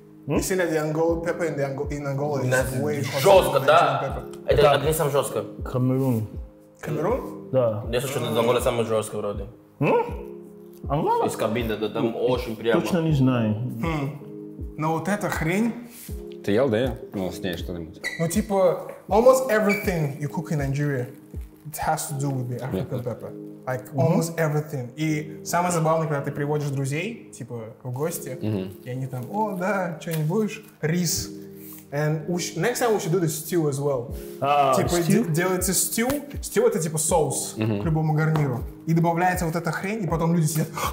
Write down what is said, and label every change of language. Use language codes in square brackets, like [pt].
[en] You see that the Angola pepper in Angola is way hotter than Cajun pepper. [ru] Жестко, да. Это не самый жесткий. Камерун? Да. Я слышал, что Ангола самая жесткая вроде. Ангола? Из кабины, да там очень прямо. Точно не знаю. Но вот эта хрень... Ты ел, да? Ну, с ней что-нибудь. Ну, типа, [en] almost everything you cook in Nigeria, it has to do with the African pepper. Like, almost everything. [ru] И самое забавное, когда ты приводишь друзей, типа, в гости, и они там, о, да, что-нибудь будешь? Рис. [en] And next time we should do the stew as well. [ru] Типа делается stew. Stew — это типа соус к любому гарниру. И добавляется вот эта хрень, и потом люди сидят.